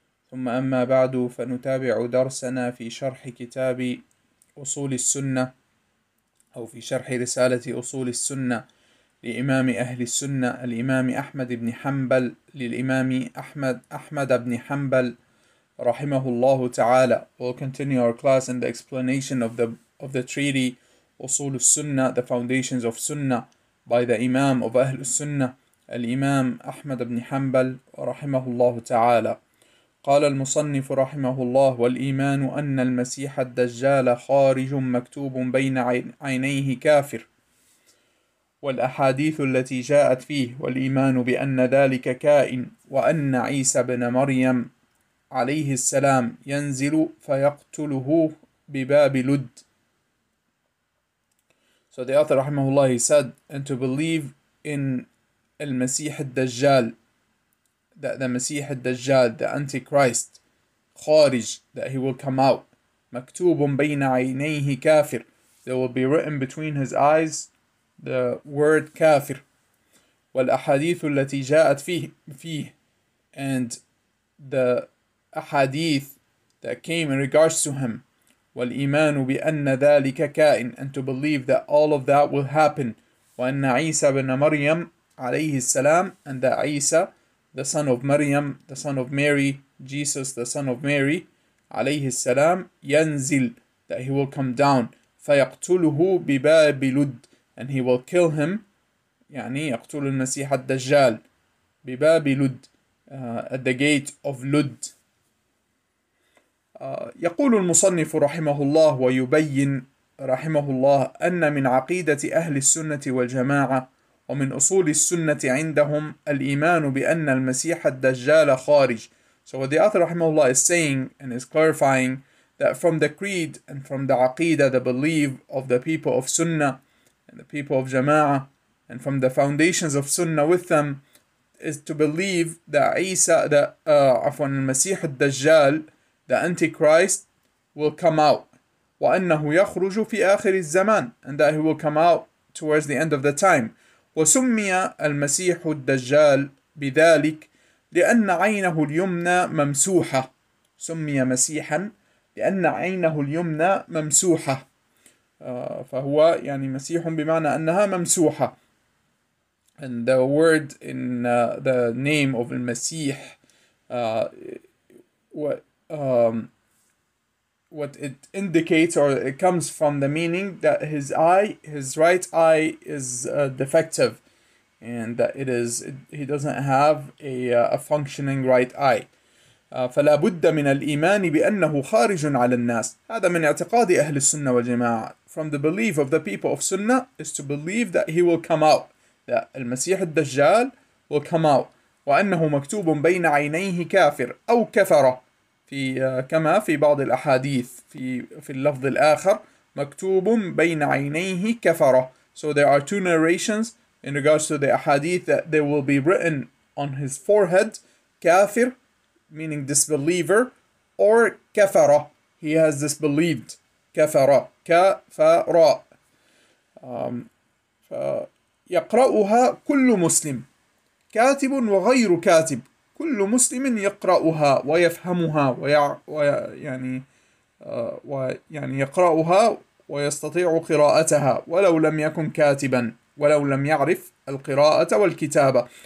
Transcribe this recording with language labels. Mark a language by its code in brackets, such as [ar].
[ar] ثم أما بعد، فنتابع درسنا في شرح كتاب أصول السنة، أو في شرح رسالة أصول السنة لإمام أهل السنة الإمام أحمد بن حنبل للإمام أحمد بن حنبل رحمه الله تعالى. [en] We'll continue our class in the explanation of the treaty [ar] أصول السنة, [en] the foundations of Sunnah, by the Imam of [ar] أهل السنة الإمام أحمد بن حنبل رحمه الله تعالى. قال المصنف رحمه الله: والإيمان أن المسيح الدجال خارج مكتوب بين عينيه كافر، والأحاديث التي جاءت فيه، والإيمان بأن ذلك كائن، وأن عيسى بن مريم عليه السلام ينزل فيقتله بباب لد. [en] So the author [ar] رحمه الله, [en] he said, and to believe in المسيح الدجال, that the Messiah al-Dajjal, the Antichrist, Kharij, that he will come out. [ar] Maktubun bayna aynayhi kafir. [en] There will be written between his eyes the word kafir. [ar] Wal ahadithu allati ja'at fihi. [en] And the ahadith that came in regards to him. [ar] Wal imanu bi anna dhalika ka'in. [en] And to believe that all of that will happen. [ar] Wa anna Isa bin Maryam alayhi salam. [en] And that Isa, the son of Maryam, the son of Mary, Jesus, the son of Mary, [ar] عليه السلام, [en] ينزل, that he will come down, [ar] فيقتله بباب لد, [en] and he will kill him, [ar] يعني يقتل المسيح الدجال, بباب لد, [en] at the gate of لد. [ar] يقول المصنف رحمه الله ويبين رحمه الله أن من عقيدة أهل السنة والجماعة ومن أصول السنة عندهم الإيمان بأن المسيح الدجال خارج. [en] So what the author [ar] رحمه الله [en] is saying and is clarifying, that from the creed and from the عقيدة, the belief of the people of Sunnah and the people of Jama'ah, and from the foundations of Sunnah with them, is to believe that المسيح الدجال, the Antichrist, will come out. [ar] وأنه يخرج في آخر الزمان, [en] and that he will come out towards the end of the time. [ar] وسمي المسيح الدجال بذلك لأن عينه اليمنى ممسوحة. سمي مسيحا لأن عينه اليمنى ممسوحة. فهو يعني مسيح بمعنى أنها ممسوحة. [en] And the word in the name of المسيح, what it indicates or it comes from the meaning that his eye, his right eye, is defective, and that it is he doesn't have a functioning right eye. [ar] فلا بد من الإيمان بأنه خارج على الناس. هذا من اعتقاد أهل السنة والجماعة. [en] From the belief of the people of Sunnah is to believe that he will come out, that المسيح الدجال will come out. [ar] وأنه مكتوب بين عينيه كافر أو كفرة. في كما في بعض الأحاديث في اللفظ الآخر مكتوب بين عينيه كفرة. [en] So there are two narrations in regards to the ahadith that there will be written on his forehead, كافر meaning disbeliever, or كفرة, he has disbelieved. [ar] كفرة, كفرة. يقرأها كل مسلم, كاتب وغير كاتب, كل مسلم يقرأها ويفهمها ويعني يقرأها ويستطيع قراءتها ولو لم يكن كاتبا ولو لم يعرف القراءة والكتابة.